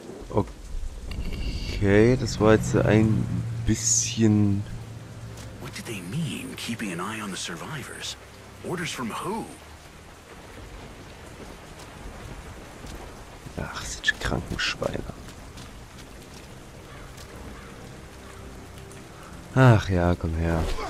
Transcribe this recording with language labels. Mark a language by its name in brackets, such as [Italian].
[German] Okay, das war jetzt ein bisschen. [English] What did they mean, keeping an eye on the survivors? Orders from who? [German] Ach, sind die kranken Schweine. Ach ja, komm her.